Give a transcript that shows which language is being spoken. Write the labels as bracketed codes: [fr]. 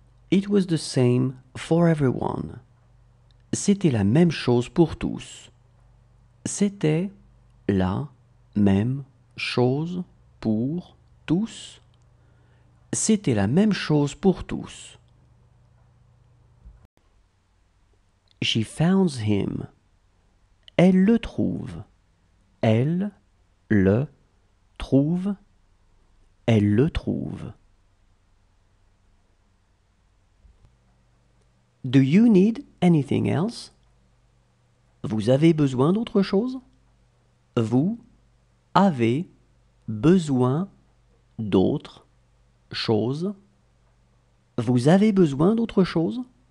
[en] It was the same for everyone. [fr] C'était la même chose pour tous. C'était la même chose pour tous. C'était la même chose pour tous. [en] She founds him. [fr] Elle le trouve. Elle le trouve. Elle le trouve. [en] Do you need anything else? [fr] Vous avez besoin d'autre chose? Vous avez besoin d'autre chose? Vous avez besoin d'autre chose?